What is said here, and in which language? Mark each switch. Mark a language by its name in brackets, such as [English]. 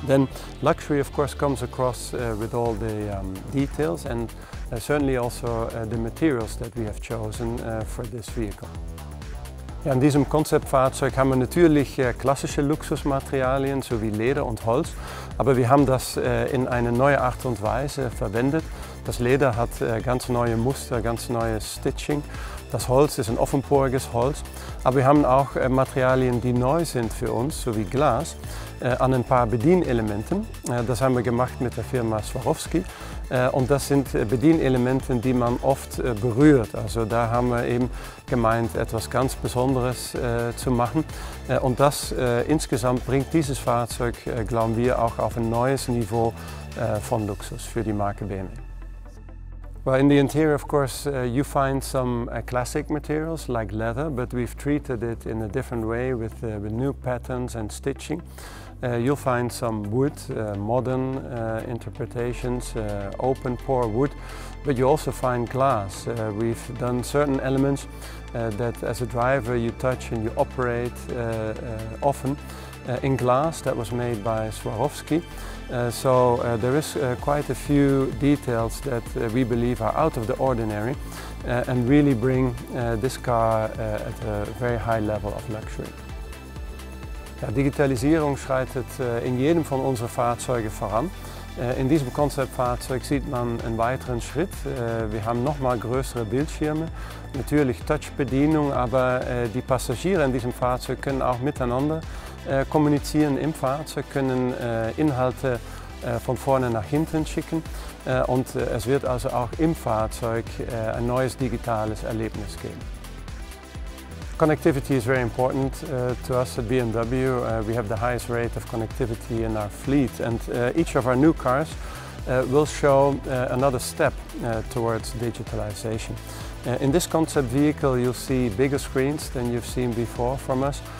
[English] Then luxury, of course, comes across with all the details and certainly also the materials that we have chosen for this vehicle. [German] Ja, in diesem Konzeptfahrzeug haben wir natürlich klassische Luxusmaterialien sowie Leder und Holz, aber wir haben das in eine neue Art und Weise verwendet. Das Leder hat ganz neue Muster, ganz neues Stitching. Das Holz ist ein offenporiges Holz, aber wir haben auch Materialien, die neu sind für uns, sowie Glas, an ein paar Bedienelementen. Das haben wir gemacht mit der Firma Swarovski. Und das sind Bedienelemente, die man oft berührt. Also da haben wir eben gemeint, etwas ganz Besonderes zu machen. Und das insgesamt bringt dieses Fahrzeug, glauben wir, auch auf ein neues Niveau von Luxus für die Marke BMW. [English] Well, in the interior, of course, you find some classic materials like leather, but we've treated it in a different way with new patterns and stitching. You'll find some wood, modern interpretations, open pore wood, but you also find glass. We've done certain elements that as a driver you touch and you operate often in glass that was made by Swarovski. So there is quite a few details that we believe are out of the ordinary and really bring this car at a very high level of luxury. [German] Ja, Digitalisierung schreitet in jedem von unseren Fahrzeugen voran. In diesem Konzeptfahrzeug sieht man einen weiteren Schritt. Wir haben nochmal größere Bildschirme, natürlich Touch-Bedienung, aber die Passagiere in diesem Fahrzeug können auch miteinander kommunizieren im Fahrzeug, können Inhalte von vorne nach hinten schicken und es wird also auch im Fahrzeug ein neues digitales Erlebnis geben. [English] Connectivity is very important to us at BMW. We have the highest rate of connectivity in our fleet, and each of our new cars will show another step towards digitalization. In this concept vehicle, you'll see bigger screens than you've seen before from us.